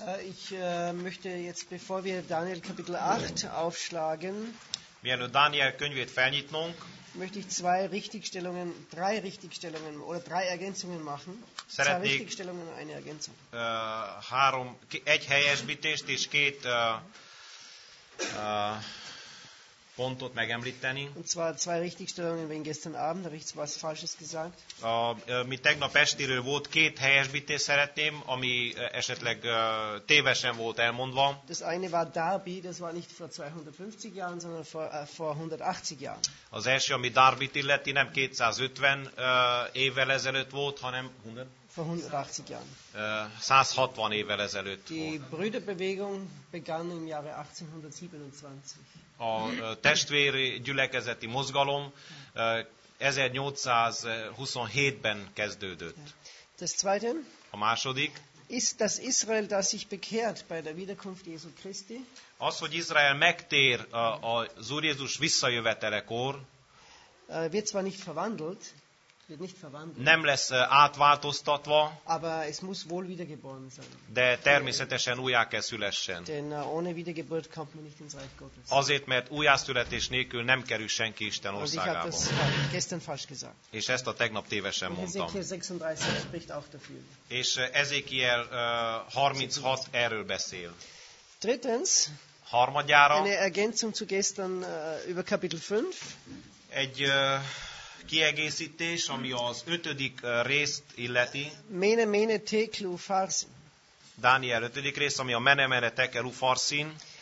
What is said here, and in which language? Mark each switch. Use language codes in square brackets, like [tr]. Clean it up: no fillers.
[de] Ich möchte jetzt, bevor wir Daniel Kapitel 8 aufschlagen, [hu] mielőtt Daniel könyvét felnyitnunk, [de] möchte ich drei Ergänzungen machen. [hu] Szeretnék [de] zwei Richtigstellungen, eine Ergänzung. [hu] Három, egy helyesbítést és két pontot megemlíteni. [de] Und zwar zwei Richtigstellungen wegen gestern Abend, habe ich was Falsches gesagt? [hu] Mi tegnap estiről volt két helyesbítés szeretném, ami esetleg tévesen volt elmondva. [de] Das eine war Darby, das war nicht vor 250 Jahren, sondern vor 180 Jahren. [hu] Az első, ami Darbyt illeti, nem 250 évvel ezelőtt volt, hanem [de] 180 Jahren. [hu] 160 évvel ezelőtt. [de] Die Brüderbewegung begann im Jahre 1827. [hu] A testvéri gyülekezeti mozgalom 1827-ben kezdődött. [de] Das zweite? [hu] A második? [de] Ist das Israel, das sich bekehrt bei der Wiederkunft Jesu Christi? [hu] Az, hogy Izrael megtér az Úr Jézus visszajövetelekor, [de] wird zwar nicht verwandelt, wird nicht verwandelt. [hu] Nem lesz átváltoztatva, [de] aber es muss wohl wiedergeboren sein. [hu] De természetesen újjá kell szülessen. [de] Denn ohne Wiedergeburt kommt man nicht ins Reich Gottes. [hu] Azért, mert újjászületés nélkül nem kerül senki Isten országába. [de] Und ich habe das gestern falsch gesagt. [hu] És ezt a tegnap tévesen mondtam. [de] Ezekiel 36 spricht auch dafür. [hu] És Ezekiel 36 erről beszél. [de] Drittens, [hu] harmadjára, [de] eine Ergänzung zu gestern über Kapitel 5. [hu] Egy kiegészítés, ami az ötödik részt illeti. [arc] Mene mene teklu farsin. [hu] Dániel ötödik rész, ami a mene mene tekelu farsin.